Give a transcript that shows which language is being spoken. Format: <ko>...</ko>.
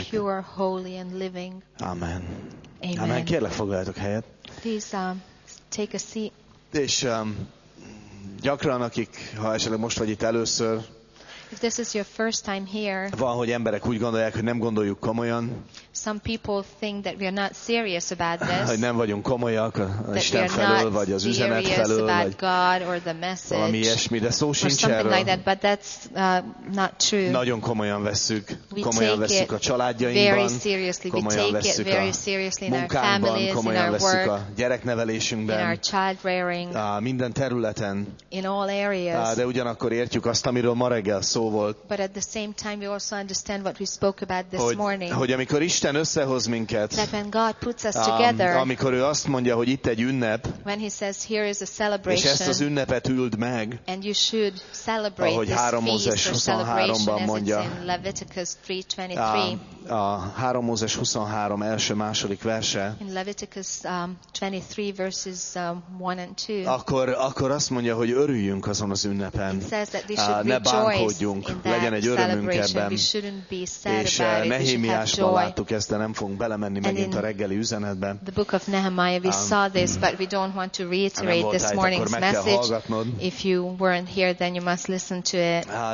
<en>It pure, holy and living. Amen. Amen. Amen.</en> <hu>Kérlek, foglaljatok helyet.</hu> <en>Please take a seat.</en> <hu>És gyakran, akik, ha esetleg most vagy itt először,</hu> <en>if this is your first time here,</en> <hu>van, hogy emberek úgy gondolják, hogy nem gondoljuk komolyan.</hu> <en>Some people think that we are not serious about this.</en> <hu>Hogy nem vagyunk komolyak Isten</hu> <en>we</en> <hu>felől, vagy az üzenet felől, vagy</hu> <en>God or the message,</en> <hu>valami ilyesmi, de szó sincs erről.</hu> <en>Like that, but that's, not true.</en> <hu>Nagyon komolyan vesszük.</hu> <en>We</en> <hu>komolyan vesszük a családjainkban.</hu> <en>Very seriously.</en> <hu>Komolyan</hu> <en>we take it very seriously in our families,</en> <hu>komolyan</hu> <en>in our work,</en> <hu>a gyereknevelésünkben,</hu> <en>in our child rearing,</en> <hu>minden területen.</hu> <en>In all areas.</en> <hu>De ugyanakkor értjük azt, amiről ma reggel szó volt.</hu> <en>But at the same time we also understand what we spoke about this morning.</en> <hu>Hogy amikor Isten összehoz minket,</hu> <en>that when God puts us together,</en> <hu>amikor ő azt mondja, hogy itt egy ünnep,</hu> <en>when he says, here is a celebration,</en> <hu>és ezt az ünnepet üld meg,</hu> <en>and you should celebrate</en> <hu>ahogy 3 Mózes 23-ban mondja,</hu> <en>Leviticus 3:23,</en> <hu>a 3 Mózes 23 első második verse,</hu> <en>in Leviticus 23 verses 1 and 2,</en> <hu>akkor azt mondja, hogy örüljünk azon az ünnepen,</hu> <en>he says that they should</en> <hu>ne bánkódjunk, legyen egy örömünk ebben,</hu> <en>we shouldn't be sad</en> <hu>és Nehémiás láttuk ezt, de nem fogunk belemenni megint a reggeli üzenetbe.</hu> <en>The book of Nehemiah, we saw this, but we don't want to reiterate this morning's message. If you weren't here, then you must listen to it.</en>